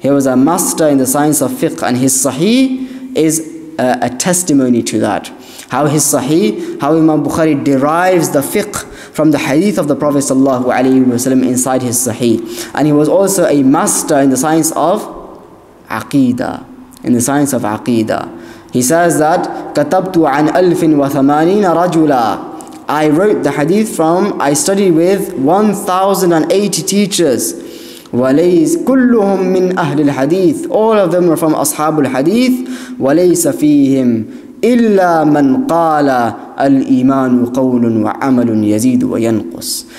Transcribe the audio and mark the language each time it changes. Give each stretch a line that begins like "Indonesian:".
English: He was a master in the science of fiqh, and his sahih is a testimony to that. How his sahih, how Imam Bukhari derives the fiqh from the hadith of the Prophet sallallahu alayhi wa sallam inside his sahih. And he was also a master in the science of aqidah, in the science of aqidah. He says that,
Arabic: كَتَبْتُ عَنْ أَلْفٍ وَثَمَانِينَ رَجُلًا.
English: I wrote the hadith from, I studied with 1,080 teachers.
Arabic: وَلَيْسَ كُلُّهُمْ مِنْ أَهْلِ الْحَدِيثِ.
English: All of them were from Ashab al-Hadith.
Arabic: وَلَيْسَ فِيهِمْ إِلَّا مَنْ قَالَ الْإِيمَانُ قَوْلٌ وَعَمَلٌ يَزِيدُ وَيَنْقُسُ.